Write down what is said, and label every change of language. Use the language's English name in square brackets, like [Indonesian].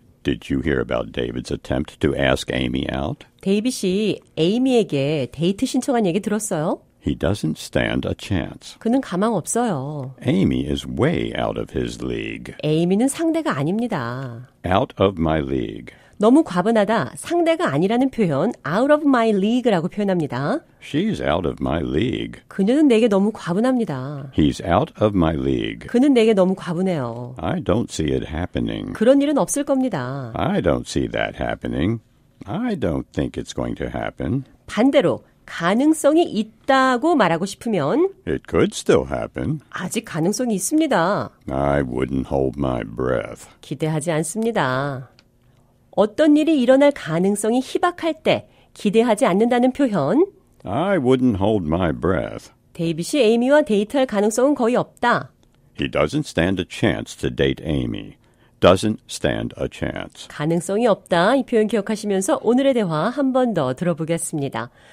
[English] Did you hear about David's attempt to ask Amy out? [Korean] 데이빗이 에이미에게 데이트 신청한 얘기 들었어요. [English] He doesn't stand a chance. [Korean] 그는 가망 없어요. [English] Amy is way out of his league. [Korean] 에이미는 상대가 아닙니다. [English] Out of my league. [Korean] 너무 과분하다. 상대가 아니라는 표현 [English] out of my league [Korean] 라고 표현합니다. [English] She's out of my league. [Korean] 그녀는 내게 너무 과분합니다. [English] He's out of my league. [Korean] 그는 내게 너무 과분해요. [English] I don't see it happening. [Korean] 그런 일은 없을 겁니다. [English] I don't see that happening. I don't think it's going to happen. [Korean] 반대로 가능성이 있다고 말하고 싶으면 [English] It could still happen. [Korean] 아직 가능성이 있습니다. [English] I wouldn't hold my breath. [Korean] 기대하지 않습니다. 어떤 일이 일어날 가능성이 희박할 때 기대하지 않는다는 표현 [English] I wouldn't hold my breath. [Korean] 데이빗이 에이미와 데이트할 가능성은 거의 없다. [English] He doesn't stand a chance to date Amy. Doesn't stand a chance. [Korean] 가능성이 없다. 이 표현 기억하시면서 오늘의 대화 한 번 더 들어보겠습니다.